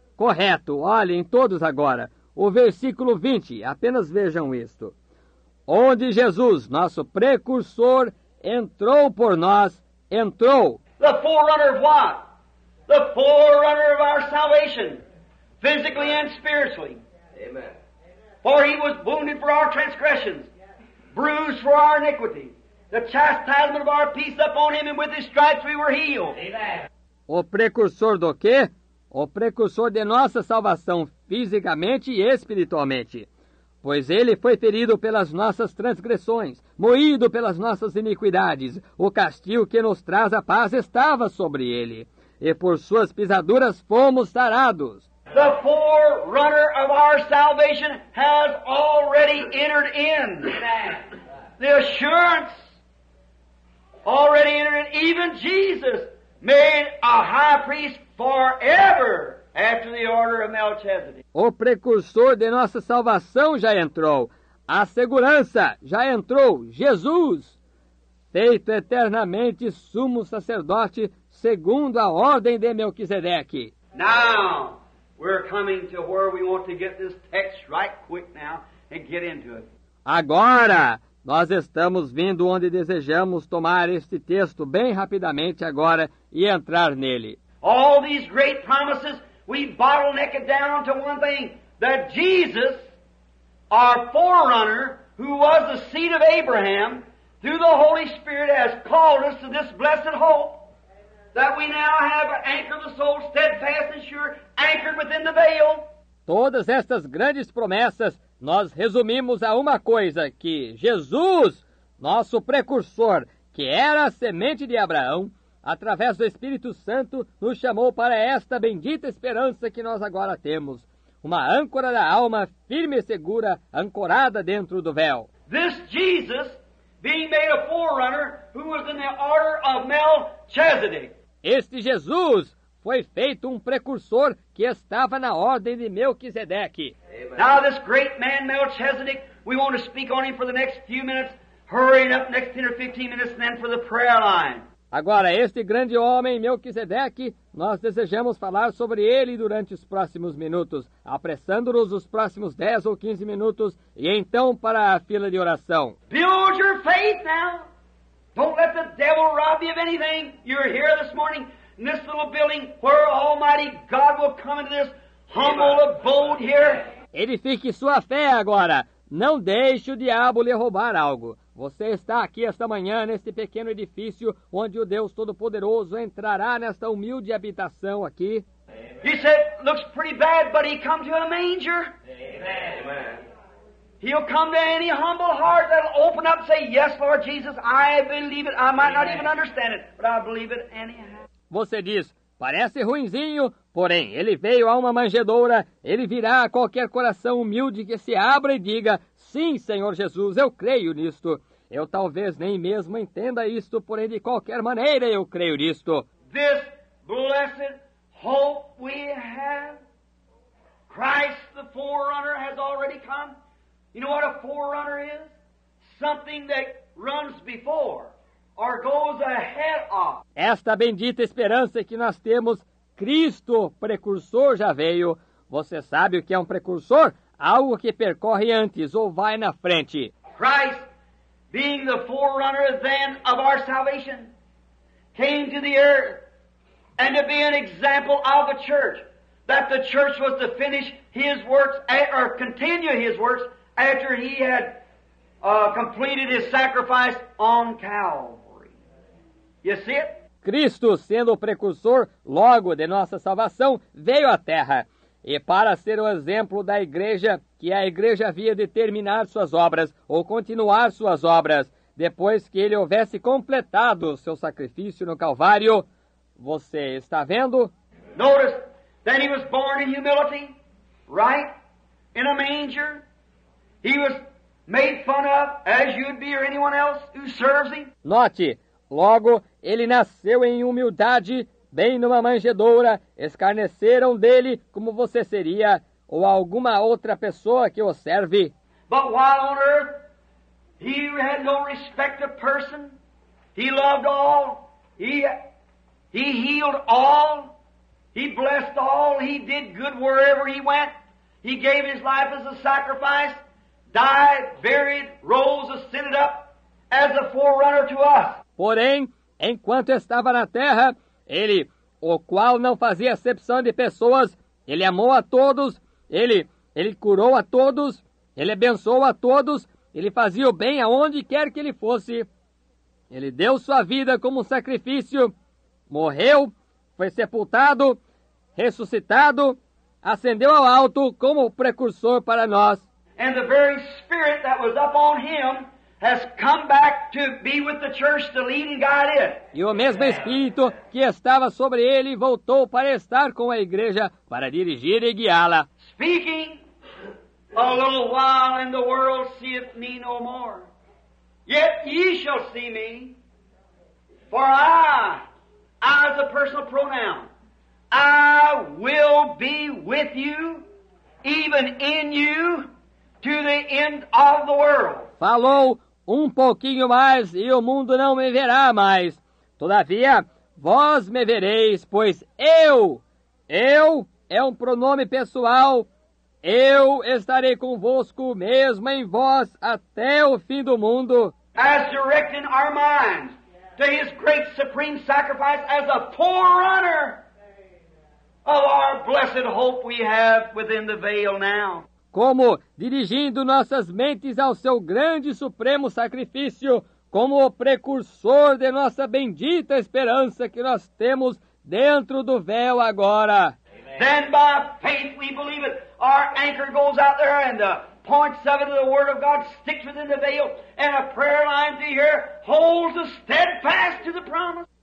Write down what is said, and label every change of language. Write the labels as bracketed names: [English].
[Portuguese] Correto, olhem todos agora. O versículo 20, apenas vejam isto. Onde Jesus, nosso precursor, entrou por nós, entrou. [English] The forerunner of what? The forerunner of our salvation, physically and spiritually. Amen. For he was wounded for our transgressions, bruised for our iniquity. The chastisement of our peace upon him, and with his stripes we were healed. Amen. [Portuguese] O precursor do quê? O precursor de nossa salvação fisicamente e espiritualmente. Pois ele foi ferido pelas nossas transgressões, moído pelas nossas iniquidades. O castigo que nos traz a paz estava sobre ele. E por suas pisaduras fomos sarados. [English] The forerunner of our salvation has already entered in. The assurance already entered in. Even Jesus made a high priest forever after the order of Melchizedek. [Portuguese] O precursor de nossa salvação já entrou. A segurança já entrou. Jesus, feito eternamente sumo sacerdote segundo a ordem de Melquisedeque. [English] Now, we're coming to where we want to get this text right quick now and get into it. [Portuguese] Agora, nós estamos vindo onde desejamos tomar este texto bem rapidamente agora e entrar nele. [English] All these great promises, we bottleneck it down to one thing, that Jesus, our forerunner, who was the seed of Abraham, through the Holy Spirit, has called us to this blessed hope that we now have anchored the soul steadfast and sure, anchored within the veil. [Portuguese] Todas estas grandes promessas, nós resumimos a uma coisa, que Jesus, nosso precursor, que era a semente de Abraão, através do Espírito Santo, nos chamou para esta bendita esperança que nós agora temos. Uma âncora da alma firme e segura, ancorada dentro do véu. [English] This Jesus, being made a forerunner, who was in the order of Melchizedek. [Portuguese] Este Jesus foi feito um precursor que estava na ordem de Melquisedeque. [English] Now this great man Melchizedek, we want to speak on him for the next few minutes, hurrying up next 10 or 15 minutes and then for the prayer line. [Portuguese] Agora, este grande homem, Melquisedeque, nós desejamos falar sobre ele durante os próximos minutos, apressando-nos os próximos 10 ou 15 minutos, e então para a fila de oração. [English] Build your faith now. Don't let the devil rob you of anything. You're here this morning in this little building where Almighty God will come into this humble abode here. [Portuguese] Edifique sua fé agora. Não deixe o diabo lhe roubar algo. Você está aqui esta manhã neste pequeno edifício onde o Deus Todo-Poderoso entrará nesta humilde habitação aqui. [English] He said, looks pretty bad, but he come to a manger. Amen. He'll come to any humble heart that'll open up and say, yes, Lord Jesus, I believe it. I might not even understand it, but I believe it anyhow. [Portuguese] Você diz, parece ruinzinho, porém, ele veio a uma manjedoura, ele virá a qualquer coração humilde que se abra e diga, sim, Senhor Jesus, eu creio nisto. Eu talvez nem mesmo entenda isto, porém, de qualquer maneira, eu creio nisto. [English] This blessed hope we have, Christ the forerunner has already come. You know what a forerunner is? Something that runs before. Or goes ahead of. [Portuguese] Esta bendita esperança que nós temos, Cristo, precursor, já veio. Você sabe o que é um precursor? Algo que percorre antes ou vai na frente. [English] Christ, being the forerunner then of our salvation, came to the earth and to be an example of the church, that the church was to finish his works, or continue his works, after he had completed his sacrifice on Calvary. You see it? [Portuguese] Cristo, sendo o precursor logo de nossa salvação, veio à Terra. E para ser o exemplo da igreja, que a igreja havia de terminar suas obras, ou continuar suas obras, depois que ele houvesse completado seu sacrifício no Calvário, você está vendo? [English] Notice that he was born in humility, right? In a manger. He was made fun of, as you'd be or anyone else who serves him. [Portuguese] Note, logo, ele nasceu em humildade, bem numa manjedoura, escarneceram dele como você seria, ou alguma outra pessoa que o serve. [English] But while on earth, he had no respect of person, he loved all, he healed all, he blessed all, he did good wherever he went, he gave his life as a sacrifice, died, buried, rose, ascended up as a forerunner to us. [Portuguese] Porém, enquanto estava na terra, ele, o qual não fazia acepção de pessoas, ele amou a todos, ele curou a todos, ele abençoou a todos, ele fazia o bem aonde quer que ele fosse. Ele deu sua vida como sacrifício, morreu, foi sepultado, ressuscitado, ascendeu ao alto como precursor para nós. [English] And the very spirit that was up on him has come back to be with the church to lead and guide it. [Portuguese] E o mesmo Espírito que estava sobre ele voltou para estar com a igreja para dirigir e guiá-la. [English] Speaking a little while and the world seeth me no more. Yet ye shall see me. For I is a personal pronoun. I will be with you, even in you, to the end of the world. [Portuguese] Falou um pouquinho mais, e o mundo não me verá mais. Todavia, vós me vereis, pois eu é um pronome pessoal, eu estarei convosco mesmo em vós até o fim do mundo. [English] As directing our minds to his great supreme sacrifice as a forerunner of our blessed hope we have within the veil now. [Portuguese] Como dirigindo nossas mentes ao seu grande supremo sacrifício, como o precursor de nossa bendita esperança que nós temos dentro do véu agora. [English] Amen. Then by faith we believe it. Our anchor goes out there and the points of it of the word of God sticks within the veil and a prayer line to hear holds us steadfast to the promise.